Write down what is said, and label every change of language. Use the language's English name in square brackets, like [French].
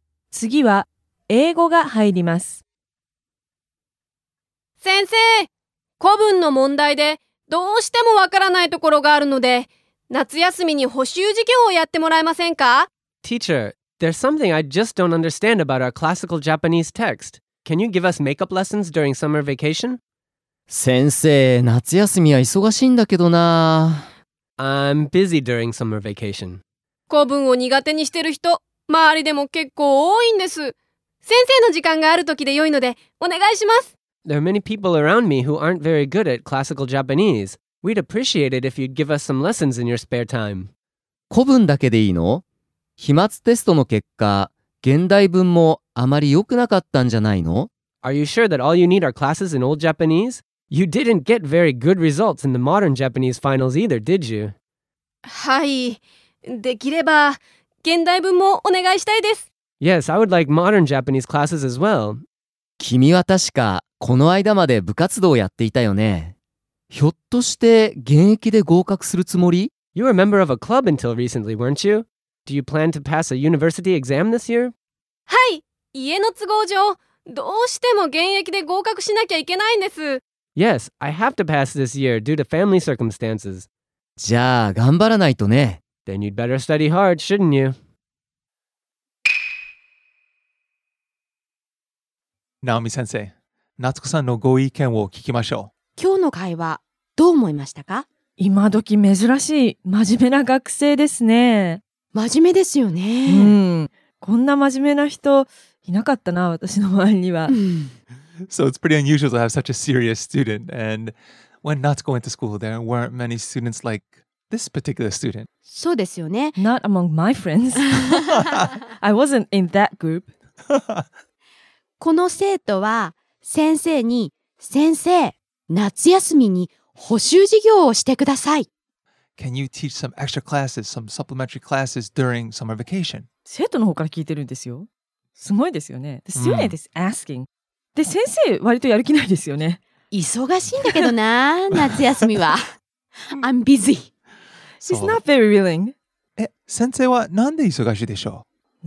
[Japanese] 次は英語が入ります。先生、古文の問題でどうしてもわからないところがあるので、夏休みに補習授業をやってもらえませんか？ [English] Teacher, there's something I just don't understand about our classical Japanese text. Can you give us makeup lessons during summer vacation? [Japanese] 先生、夏休みは忙しいんだけどな。 [English] I'm busy during summer vacation. [Japanese] 古文を苦手にしてる人、周りでも結構多いんです。先生の時間がある時で良いので、お願いします。 [English] There are many people around me who aren't very good at classical Japanese. We'd appreciate it if you'd give us some lessons in your spare time. [Japanese] 古文だけでいいの？期末テストの結果、現代文もあまり良くなかったんじゃないの？ [English] Are you sure that all you need are classes in old Japanese? You didn't get very good results in the modern Japanese finals either, did you? [Japanese] はい。できれば、現代文もお願いしたいです。 [English] Yes, I would like modern Japanese classes as well. [Japanese] 君は確か、この間まで部活動をやっていたよね。ひょっとして、現役で合格するつもり？ [English] You were a member of a club until recently, weren't you? Do you plan to pass a university exam this year? [Japanese] はい。家の都合上、どうしても現役で合格しなきゃいけないんです。 [English] Yes, I have to pass this year due to family circumstances. [Japanese] じゃあ、頑張らないとね。 [English] Then you'd better study hard, shouldn't you? [Japanese] Naomi 先生、夏子さんのご意見を聞きましょう。今日の会話、どう思いましたか？今時珍しい、真面目な学生ですね。真面目ですよね。うん、こんな真面目な人、いなかったな、私の周りには。 [English] So it's pretty unusual to have such a serious student. And when Natsuko went to school, there weren't many students like this particular student. [Japanese] そうですよね。 [English] Not among my friends. I wasn't in that group. [Japanese] この生徒は先生に、先生、夏休みに補習授業をしてください。 [English] Can you teach some extra classes, some supplementary classes during summer vacation? [Japanese] 生徒の方から聞いてるんですよ。すごいですよね。 The student is asking. で、先生、割とやる気ないですよね。忙しいんだけどな、夏休みは。 [English] I'm busy. She's not very willing. [Japanese] え、先生はなんで忙しいでしょう？